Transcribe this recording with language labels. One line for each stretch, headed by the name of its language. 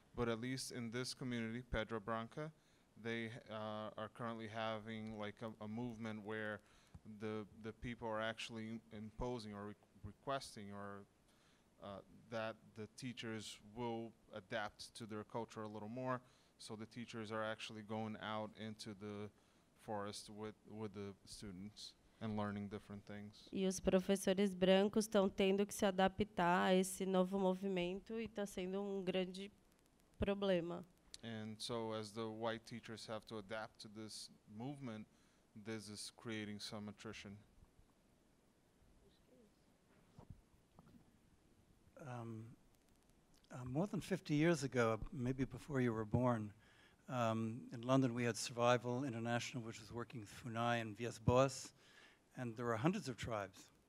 English: But at least in this community, Pedra Branca, they are currently having like a movement where the people are actually imposing or requesting or that the teachers will adapt to their culture a little more. So the teachers are actually going out into the forest with the students and learning different things.
Portuguese: E os professores brancos estão tendo que se adaptar a esse novo movimento e está sendo um grande problema.
English: And so as the white teachers have to adapt to this movement, this is creating some attrition. More than 50 years ago, maybe before you were born, in London we had Survival International, which was working with Funai and Vias Boas, and there were hundreds of tribes.